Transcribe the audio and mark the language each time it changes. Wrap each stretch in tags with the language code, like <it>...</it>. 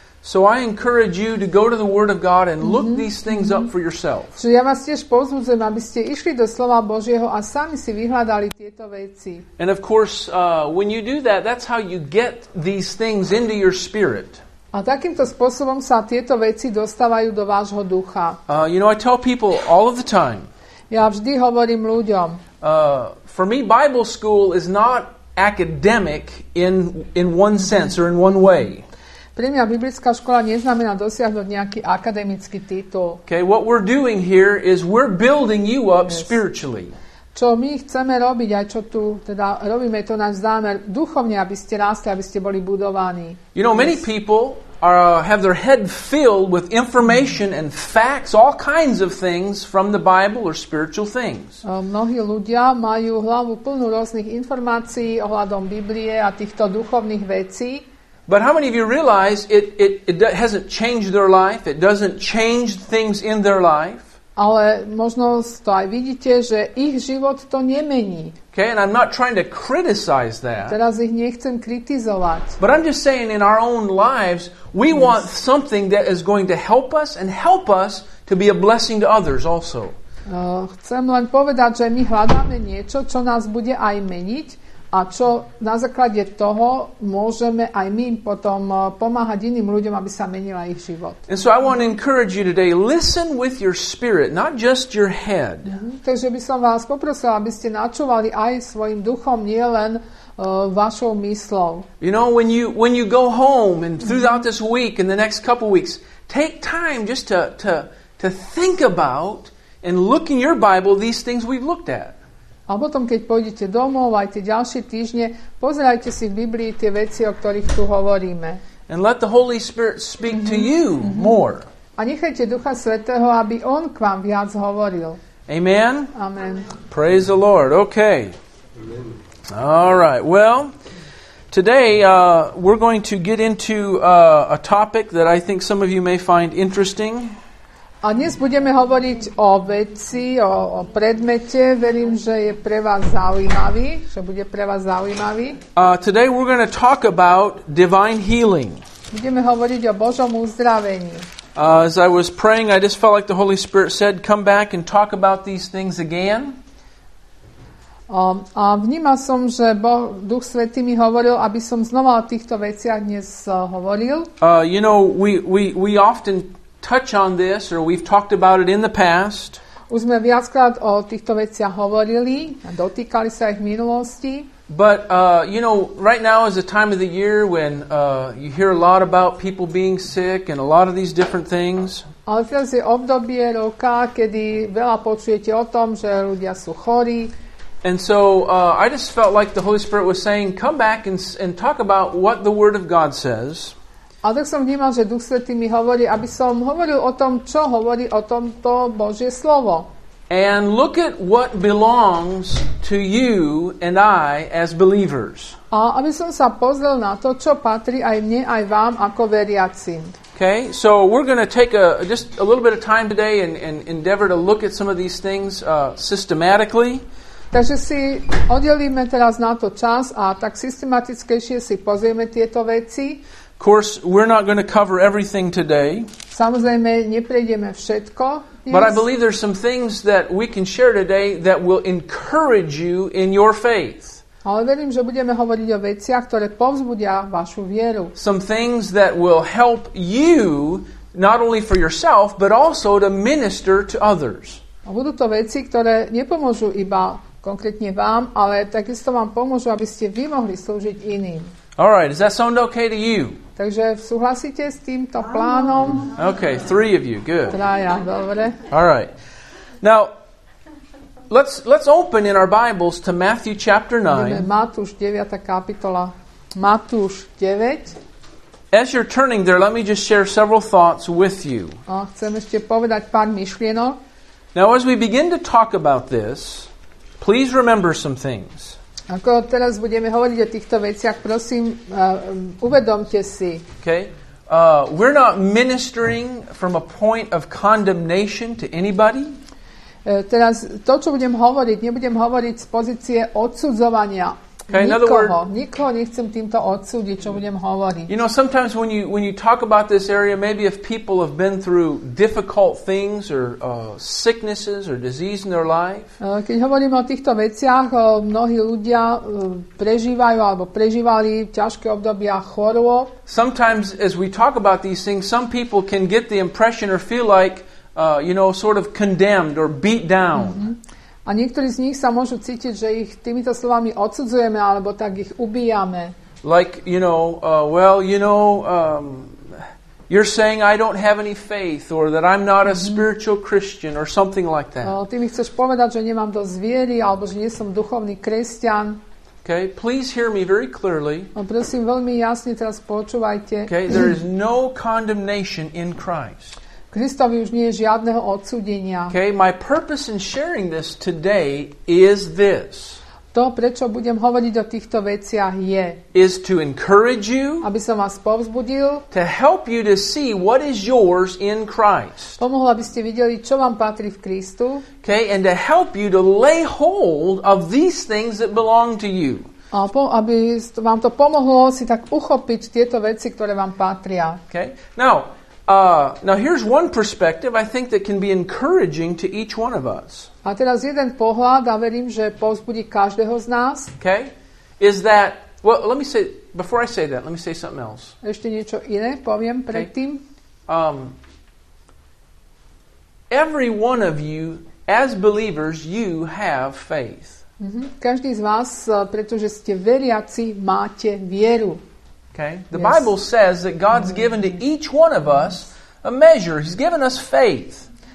<en>So I encourage you to go to the Word of God and look these things up for yourself.</en> <sk>Čiže ja vás tiež povzbudzujem, aby ste išli do Slova Božieho a sami si vyhľadali tieto veci.</sk> <en>And of course, when you do that, that's how you get these things into your spirit.</en> <sk>A takýmto spôsobom sa tieto veci dostávajú do vášho ducha.</sk> <en>You know, I tell people all of the time.</en> <sk>Ja vždy hovorím ľuďom.</sk> <en>For me, Bible school is not academic in one sense or in one way.</en> <sk>Pre mňa biblická škola neznamená dosiahnuť nejaký akademický titul.</sk> <en>Okay, what we're doing here is we're building you up spiritually.</en> <sk>Čo my chceme robiť, aj čo tu teda robíme, to náš zámer duchovne, aby ste rástli, aby ste boli budovaní.</sk> <en>You know, many people are, have their head filled with information and facts, all kinds of things from the Bible or spiritual things.</en> <sk>Mnohí ľudia majú hlavu plnú rôznych informácií ohľadom Biblie a týchto duchovných vecí.</sk> <en>But how many of you realize it hasn't changed their life? It doesn't change things in their life.</en> <sk>Ale možno to aj vidíte, že ich život to nemení.</sk> <en>Okay, and I'm not trying to criticize that.</en> <sk>Teraz ich nechcem kritizovať.</sk> <en>But I'm just saying in our own lives, we want something that is going to help us and help us to be a blessing to others also.</en> <sk>Chcem len povedať, že my hľadáme niečo, čo nás bude aj meniť. A čo na základe toho môžeme aj my potom pomáhať iným ľuďom, aby sa menila ich život.</sk> <en>And so I want to encourage you today, listen with your spirit, not just your head.</en> <sk>Takže by som vás poprosila, aby ste načúvali aj svojim duchom, nie len vašou mysľou.</sk> <en>You know, when you go home and throughout this week and the next couple weeks, take time just to think about and look in your Bible these things we've looked at.</en> <sk>A potom, keď pôjdete domov aj tie ďalšie týždne, pozerajte si v Biblii tie veci, o ktorých tu hovoríme.</sk> <en>And let the Holy Spirit speak to you more.</en> <sk>A nechajte Ducha Svätého, aby On k vám viac hovoril.</sk> <en>Amen? Amen. Praise the Lord. Okay. All right. Well, today we're going to get into a topic that I think some of you may find interesting.</en> <sk>A dnes budeme hovoriť o veci, o predmete. Verím, že je pre vás zaujímavý, že bude pre vás zaujímavý.</sk> <en>Today we're going to talk about divine healing.</en> <sk>Budeme hovoriť o Božom uzdravení.</sk> <en>As I was praying, I just felt like the Holy Spirit said, come back and talk about these things again.</en> <sk>A vnímal som, že Duch Svätý mi hovoril, aby som znova o týchto veciach dnes hovoril.</sk> <en>You know, we often touch on this, or we've talked about it in the past.</en> <sk>Už sme viackrát o týchto veciach hovorili a dotýkali sa ich v minulosti.</sk> <en>But, you know, right now is a time of the year when you hear a lot about people being sick and a lot of these different things.</en> <sk>Ale teraz je obdobie roka, kedy veľa počujete o tom, že ľudia sú chorí.</sk> <en>And so I just felt like the Holy Spirit was saying, come back and talk about what the Word of God says.</en> <sk>A tak som vnímal, že Duch Svätý mi hovorí, aby som hovoril o tom, čo hovorí o tomto Božie slovo.</sk> <en>And look at what belongs to you and I as believers.</en> <sk>A aby som sa pozrel na to, čo patrí aj mne, aj vám ako veriacim.</sk> <en>Okay, so we're going to take just a little bit of time today and endeavor to look at some of these things systematically.</en> <sk>Takže si oddelíme teraz na to čas a tak systematickejšie si pozrieme tieto veci.</sk> <en>Of course, we're not going to cover everything today.</en> <sk>Samozrejme, neprejdeme všetko.</sk> <en>But I believe there's some things that we can share today that will encourage you in your faith.</en> <sk>Ale verím, že budeme hovoriť o veciach, ktoré povzbudia vašu vieru.</sk> <en>Some things that will help you not only for yourself, but also to minister to others.</en> <sk>A budú to veci, ktoré nepomôžu iba konkrétne vám, ale takisto vám pomôžu, aby ste vy mohli slúžiť iným.</sk> <en>All right, does that sound okay to you?</en> <sk>Takže súhlasíte s týmto plánom?</sk> <en>Okay, three of you, good.</en> <sk>Traja, dobre.</sk> <en>All right. Now, let's open in our Bibles to Matthew chapter 9.</en> <sk>Matúš 9. kapitola. Matúš 9.</sk> <en>As you're turning there, let me just share several thoughts with you.</en> <sk>A chcem ešte povedať pár myšlienok.</sk> <en>Now, as we begin to talk about this, please remember some things.</en> <sk>Ako teraz budeme hovoriť o týchto veciach, prosím, uvedomte si.</sk> <en>Okay. We're not ministering from a point of condemnation to anybody.</en> <sk>Teraz to, čo budem hovoriť, nebudem hovoriť z pozície odsudzovania.</sk> <en>Okay, in other words,</en> <sk>nikoho nechcem týmto odsúdiť, čo budem hovoriť.</sk> <en>You know, sometimes when you talk about this area, maybe if people have been through difficult things or sicknesses or disease in their life.</en> <sk>Keď hovoríme o týchto veciach, mnohí ľudia prežívajú alebo prežívali ťažké obdobia chorôb.</sk> <en>Sometimes as we talk about these things, some people can get the impression or feel like sort of condemned or beat down.</en> <sk>A niektorí z nich sa môžu cítiť, že ich týmito slovami odsudzujeme alebo tak ich ubijame.</sk> <en>Like, you're saying I don't have any faith or that I'm not a spiritual Christian or something like that.</en> <sk>Ty mi chceš povedať, že nemám dosť viery alebo že nie som duchovný kresťan.</sk> <en>Okay, please hear me very clearly.</en> <sk>Prosím, veľmi jasne teraz počúvajte.</sk> <en>Okay, there is no condemnation in Christ.</en> <sk>Kristovi už nie je žiadneho odsúdenia.</sk> <en>Okay, my purpose in sharing this today is this.</en> <sk>To, prečo budem hovoriť o týchto veciach je,</sk> <en>is to encourage you,</en> <sk>aby som vás povzbudil,</sk> <en>to help you to see what is yours in Christ.</en> <sk>Pomohlo, aby ste videli, čo vám patrí v Kristu.</sk> <en>Okay, and to help you to lay hold of these things that belong to you.</en> <sk>Aby vám to pomohlo si tak uchopiť tieto veci, ktoré vám patria.</sk> <en>Okay, now here's one perspective I think that can be encouraging to each one of us.</en> <sk>A teraz jeden pohľad, a verím, že povzbudí každého z nás.</sk> <en>Okay? Is that, well, let me say, before I say that, let me say something else.</en> <sk>Ešte niečo iné poviem predtým.</sk> <en>Every one of you, as believers, you have faith.</en> <sk>Každý z vás, pretože ste veriaci, máte vieru.</sk> <en>Okay. The Bible says that God's given to each one of us a measure. He's given us faith.</en>